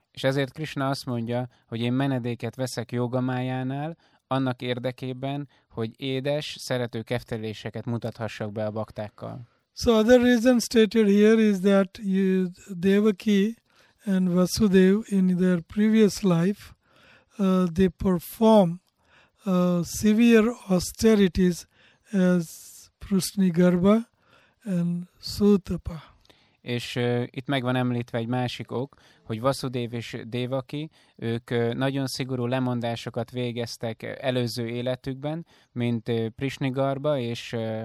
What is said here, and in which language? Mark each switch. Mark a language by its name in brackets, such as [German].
[Hungarian] És ezért Krishna azt mondja, hogy én menedéket veszek Yoga Mayánál, annak érdekében, hogy édes, szerető kefteléseket mutathassak be a baktákkal. [English] So other reason stated here is that Devaki and Vasudev in their previous life, they perform severe austerities as Prusnigarbha and Sutapa. [Hungarian] És itt megvan említve egy másik ok, hogy Vasudev és Devaki, ők nagyon szigorú lemondásokat végeztek előző életükben, mint Prusnigarbha és